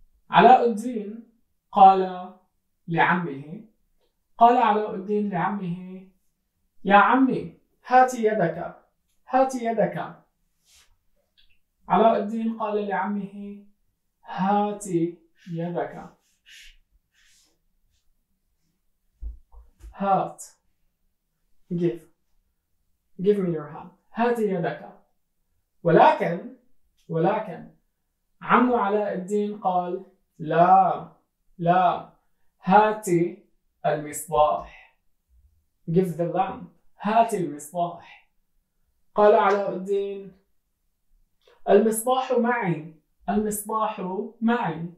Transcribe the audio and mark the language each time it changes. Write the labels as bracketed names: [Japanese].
[Arabic] علاء الدين قال لعمه، قال علاء الدين لعمه: يا عمي هات يدك، هات يدك. علاء الدين قال لعمه: هات يدك. هات، [English] give me your hand. [Arabic] هات يدك. ولكن عم علاء الدين قال: لا لا، هات المصباح. [English] give the lamp. [Arabic] هات المصباح. قال علاء الدين: المصباح معي، المصباح معي.